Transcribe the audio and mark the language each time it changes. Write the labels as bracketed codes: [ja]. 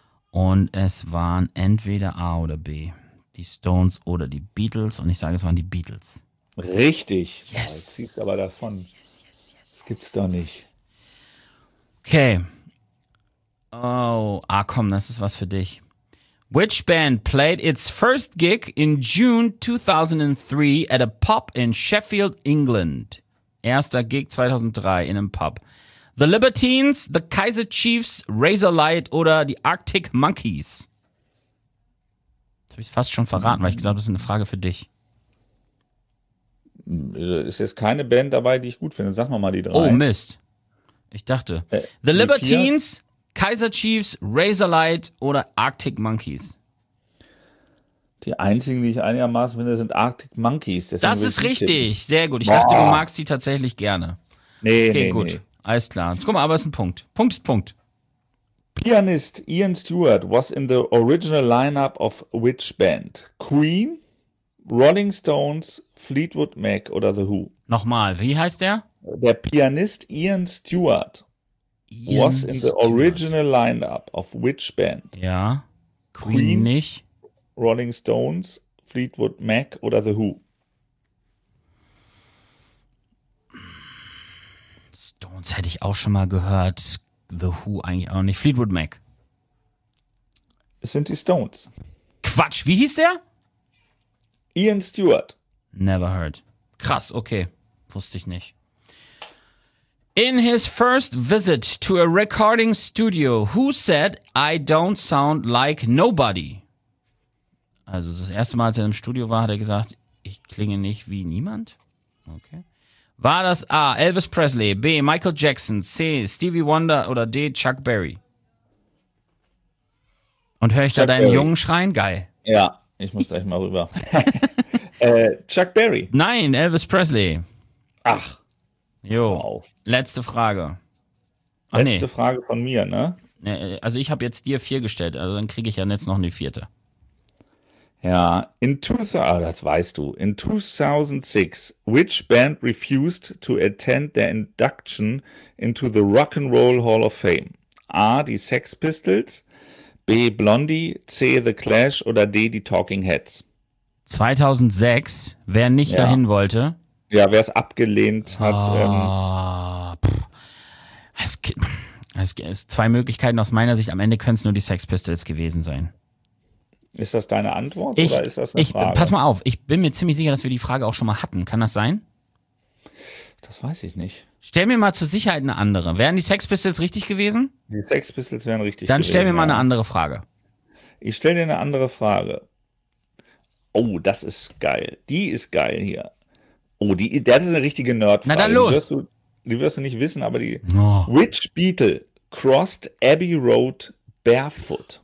[de] Und es waren entweder A oder B, die Stones oder die Beatles. Und ich sage, es waren die Beatles. Richtig. [en] Yes. [de] Du ziehst aber davon. Yes. Das gibt's doch nicht. Okay. Oh, komm, das ist was für dich. [en] Which band played its first gig in June 2003 at a pub in Sheffield, England? [de] Erster Gig 2003 in einem Pub. The Libertines, The Kaiser Chiefs, Razor Light oder die Arctic Monkeys? Das habe ich fast schon verraten, weil ich gesagt habe, das ist eine Frage für dich. Ist jetzt keine Band dabei, die ich gut finde. Sag mal die drei. Oh Mist. Ich dachte. The Libertines, Kaiser Chiefs, Razor Light oder Arctic Monkeys? Die einzigen, die ich einigermaßen finde, sind Arctic Monkeys. Deswegen das ist richtig. Tippen. Sehr gut. Ich dachte, du magst die tatsächlich gerne. Nee, okay. Alles klar. Jetzt guck mal, aber es ist ein Punkt. Punkt ist Punkt. [en] Pianist Ian Stewart was in the original lineup of which band? [de] Queen, Rolling Stones, Fleetwood Mac oder The Who? Nochmal, wie heißt der? [en] Der Pianist Ian Stewart was in the original lineup of which band? [de] Ja, Queen nicht. Rolling Stones, Fleetwood Mac oder The Who? Stones hätte ich auch schon mal gehört. The Who eigentlich auch nicht. Fleetwood Mac. Es sind die Stones. Quatsch, wie hieß der? Ian Stewart. [en] Never heard. [de] Krass, okay. Wusste ich nicht. [en] In his first visit to a recording studio, who said, I don't sound like nobody? [de] Also das erste Mal, als er im Studio war, hat er gesagt, ich klinge nicht wie niemand. Okay. War das A, Elvis Presley, B, Michael Jackson, C, Stevie Wonder oder D, Chuck Berry? Und höre ich Chuck da deinen Berry. Jungen schreien? Geil. Ja, ich muss gleich mal rüber. Chuck Berry. Nein, Elvis Presley. Ach. Jo, wow. Letzte Frage. Frage von mir, ne? Also ich habe jetzt dir 4 gestellt, also dann kriege ich ja jetzt noch eine 4. [en] Ja, in 2006, which band refused to attend their induction into the Rock and Roll Hall of Fame? [de] A, die Sex Pistols, B, Blondie, C, The Clash oder D, die Talking Heads? 2006, wer nicht dahin wollte? Ja, wer es abgelehnt hat. Es zwei Möglichkeiten aus meiner Sicht, am Ende können es nur die Sex Pistols gewesen sein. Ist das deine Antwort oder ist das eine Frage? Pass mal auf, ich bin mir ziemlich sicher, dass wir die Frage auch schon mal hatten. Kann das sein? Das weiß ich nicht. Stell mir mal zur Sicherheit eine andere. Wären die Sex Pistols richtig gewesen? Die Sex Pistols wären richtig Dann stell mir mal eine andere Frage. Ich stell dir eine andere Frage. Oh, das ist geil. Die ist geil hier. Oh, das ist eine richtige Nerdfrage. Na dann los. Die wirst du nicht wissen, aber die... Oh. [en] Which Beatle crossed Abbey Road barefoot?